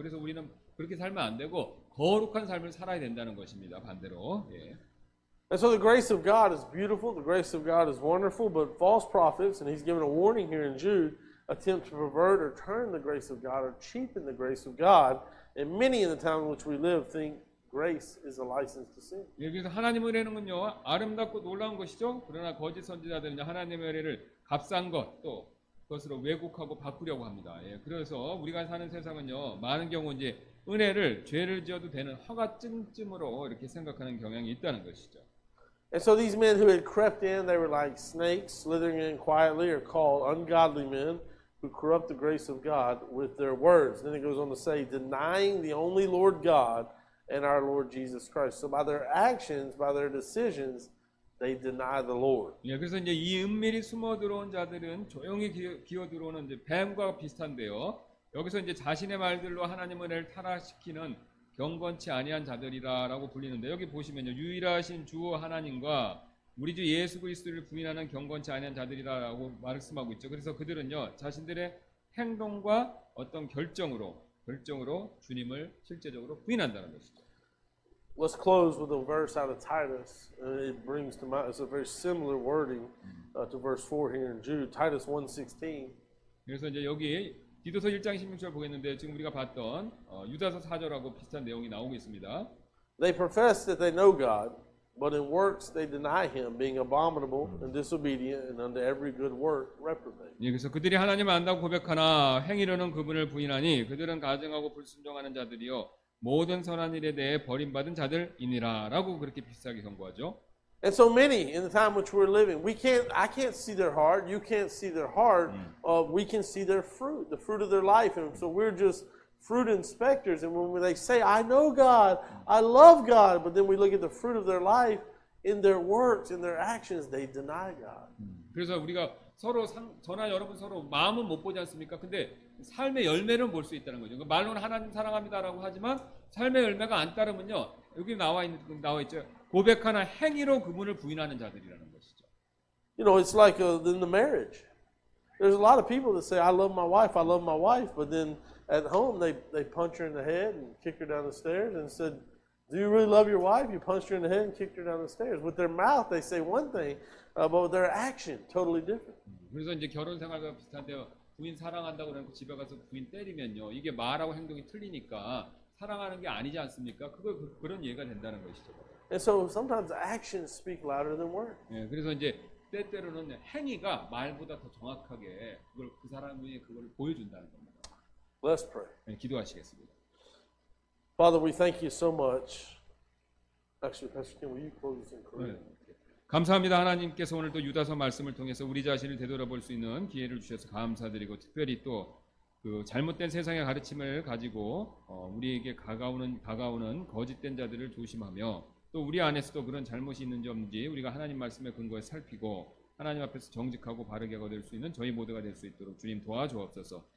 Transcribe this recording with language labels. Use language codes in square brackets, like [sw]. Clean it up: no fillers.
[ko] 그래서 우리는 그렇게 살면 안 되고 거룩한 삶을 살아야 된다는 것입니다. 반대로. 예. [en] And so the grace of God is beautiful. The grace of God is wonderful. But false prophets, and He's given a warning here in Jude. Attempt to pervert or turn the grace of God or cheapen the grace of God, and many in the time in which we live think grace is a license to sin. [ko] 여기서 하나님의 은혜는요, 아름답고 놀라운 것이죠. 그러나 거짓 선지자들은 하나님의 은혜를 값싼 것 또 그것으로 왜곡하고 바꾸려고 합니다. 예, 그래서 우리가 사는 세상은요, 많은 경우 이제 은혜를 죄를 지어도 되는 허가증쯤으로 이렇게 생각하는 경향이 있다는 것이죠. [en] And so these men who had crept in, they were like snakes slithering in quietly, are called ungodly men who corrupt the grace of God with their words. Then it goes on to say, denying the only Lord God and our Lord Jesus Christ. So by their actions, by their decisions, they deny the Lord. [ko] 예, 그래서 이제 이 은밀히 숨어 들어온 자들은 조용히 기어 들어오는 이제 뱀과 비슷한데요. 여기서 이제 자신의 말들로 하나님의 은혜를 타락시키는 경건치 아니한 자들이라고 불리는데, 여기 보시면요, 유일하신 주 하나님과 우리 주 예수 그리스도를 부인하는 경건치 아니한 자들이라고 말씀하고 있죠. 그래서 그들은요, 자신들의 행동과 어떤 결정으로 주님을 실제적으로 부인한다는 것이죠. [en] Let's close with a verse out of Titus. It brings to mind, it's a very similar wording to verse 4 here in Jude. Titus 1:16. [ko] 그래서 이제 여기 디도서 1장 16절 보겠는데, 지금 우리가 봤던 유다서 4절하고 비슷한 내용이 나오고 있습니다. [en] They profess that they know God, but in works they deny Him, being abominable and disobedient, and unto every good work reprobate. [ko] 예, 그래서 그들이 하나님을 안다고 고백하나 행위로는 그분을 부인하니 그들은 가증하고 불순종하는 자들이요 모든 선한 일에 대해 버림받은 자들이니라라고 그렇게 비슷하게 경고하죠. [en] And so many in the time which we're living, I can't see their heart. You can't see their heart. We can see their fruit, the fruit of their life. And so we're just fruit inspectors. And when they say, I know God, I love God, but then we look at the fruit of their life in their works, in their actions, they deny God. [ko] 그래서 우리가 서로 저나 여러분 서로 마음은 못 보지 않습니까? 근데 삶의 열매는 볼 수 있다는 거죠. 말로는 하나님 사랑합니다라고 하지만 삶의 열매가 안 따르면요. 여기 나와 있죠. 고백하나 행위로 그분을 부인하는 자들이라는 것이죠. [en] You know, it's like in the marriage. There's a lot of people that say I love my wife, I love my wife, but then at home they punch her in the head and kick her down the stairs and said, "Do you really love your wife?" You punched her in the head and kicked her down the stairs. With their mouth they say one thing, but their action totally different. [ko] 그래서 이제 결혼 생활과 비슷한데요. 부인 사랑한다고 그러고 집에 가서 부인 때리면요. 이게 말하고 행동이 틀리니까 사랑하는 게 아니지 않습니까? 그런 예가 된다는 것이죠. [en] And so sometimes actions speak louder than words. [ko] 예, 그래서 이제 때때로는 행위가 말보다 더 정확하게 그걸 그 사람이 그걸 보여준다는 겁니다. [en] Let's pray. [ko] 예, 기도하시겠습니다. [en] Father, we thank you so much. Actually, Pastor Kim, will you close this in Korean? [ko] 네. 감사합니다. 하나님께서 오늘 또 유다서 말씀을 통해서 우리 자신을 되돌아볼 수 있는 기회를 주셔서 감사드리고 특별히 또 그 잘못된 세상의 가르침을 가지고 우리에게 다가오는 거짓된 자들을 조심하며 또 우리 안에서도 그런 잘못이 있는지 없는지 우리가 하나님 말씀의 근거에 살피고 하나님 앞에서 정직하고 바르게 될 수 있는 저희 모두가 될 수 있도록 주님 도와주옵소서.